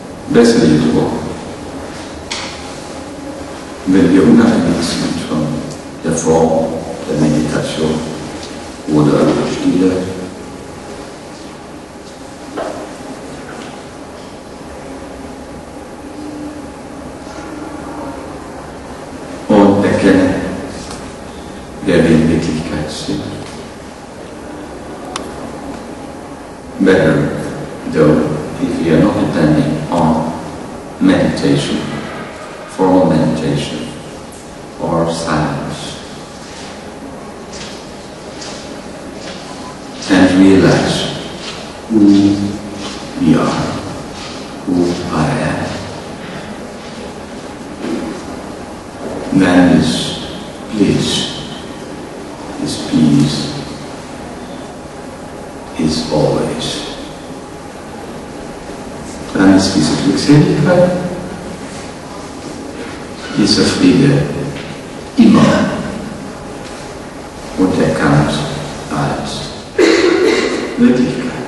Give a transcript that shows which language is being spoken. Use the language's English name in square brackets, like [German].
[German] Besser jedoch, wenn wir unabhängig sind von der Form der Meditation oder der Stille, und erkennen, wer wir in Wirklichkeit sind. [English] Better though if we are not depending on meditation, formal meditation, or silence. And realize who we are, who I am. Then this peace is always. [German] Dann ist diese Glückseligkeit, dieser Friede immer und erkannt als Wirklichkeit.